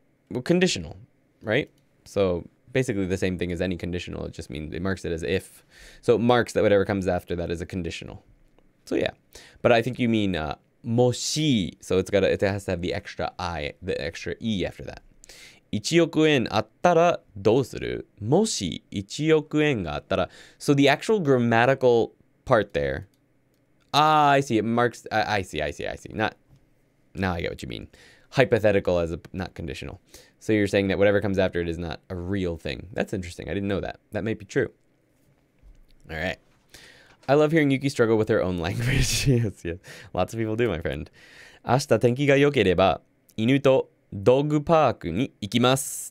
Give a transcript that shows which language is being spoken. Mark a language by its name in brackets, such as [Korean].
[English] Well, conditional, right? So basically the same thing as any conditional. It just means it marks it as if. So it marks that whatever comes after that is a conditional. So yeah. But I think you mean... moshi, so it has to have the extra I, the extra E after that. [Japanese] 1億円あったらどうする? もし1億円があったら。 [English] So the actual grammatical part there, ah, I see, it marks, I see. Now I get what you mean. Hypothetical as a, not conditional. So you're saying that whatever comes after it is not a real thing. That's interesting, I didn't know that. That might be true. All right. I love hearing Yuki struggle with her own language. Yes, yes. Lots of people do, my friend. [Japanese] 明日天気が良ければ犬とドッグパークに行きます。